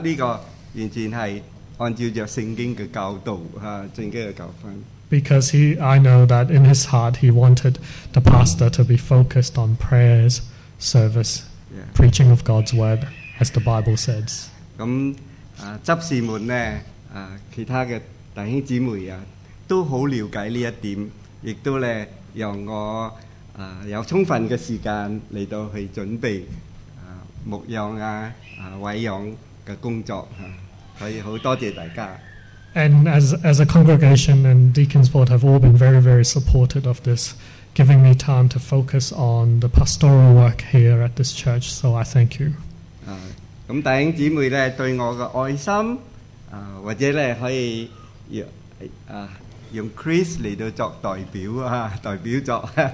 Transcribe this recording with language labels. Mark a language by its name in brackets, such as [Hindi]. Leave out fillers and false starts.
[Cantonese] 這個完全係按照聖經嘅教導，聖經嘅教訓。 [English] because I know that in his heart he wanted the pastor to be focused on prayers, service, yeah. preaching of God's word, as the Bible says. [Cantonese] 執事們呢,其他的弟兄姊妹都好了解這一點,亦都讓我有充分的時間來到去準備牧養、委養的工作,所以很多謝大家。 [English] And as a congregation and Deacon's Board have all been very, very supportive of this, giving me time to focus on the pastoral work here at this church, so I thank you. [Cantonese] 弟兄姊妹對我的愛心,或者可以用 Chris 來作代表作。